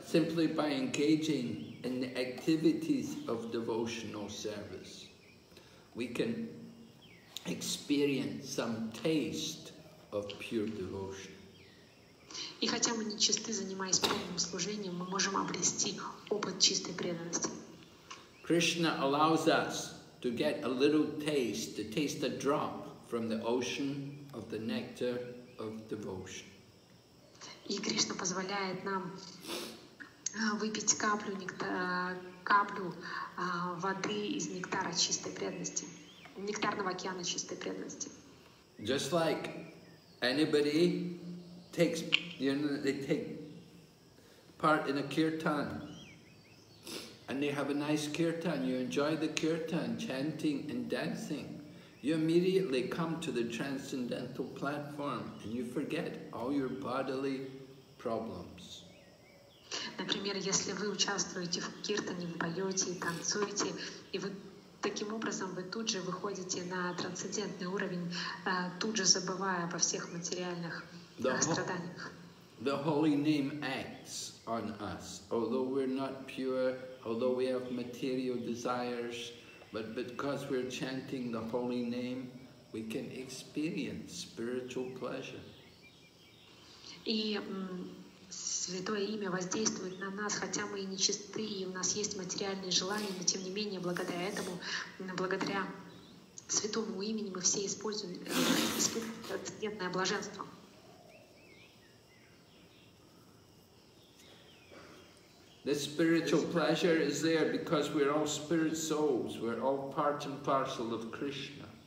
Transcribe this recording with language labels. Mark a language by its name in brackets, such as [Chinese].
[English] simply by engaging in the activities of devotional service, we can experience some taste of pure devotion. [Russian] И хотя мы нечисты, занимаясь преданным служением, мы можем обрести опыт чистой преданности. [English] Krishna allows us to get a little taste, to taste a drop from the ocean of the nectar of devotion. [Russian] И Кришна позволяет нам выпить каплю, воды из нектара чистой преданности, нектарного океана чистой преданности. [English] Just like anybody takes, you know, they take part in a kirtan, and they have a nice kirtan, you enjoy the kirtan, chanting and dancing, you immediately come to the transcendental platform and you forget all your bodily problems. [Russian] Например, если вы участвуете в киртане, вы поете и танцуете, и вы таким образом вы тут же выходите на трансцендентный уровень, тут же забывая обо всех материальных страданиях. [English] The holy name acts on us, although we're not pure, although we have material desires, but because we're chanting the holy name, we can experience spiritual pleasure. [Russian] И святое имя воздействует на нас, хотя мы и нечисты, и у нас есть материальные желания, но тем не менее, благодаря этому, благодаря святому имени, мы все используем трансцендентное блаженство. [English] The spiritual pleasure is there because we're all spirit souls, we're all part and parcel of Krishna.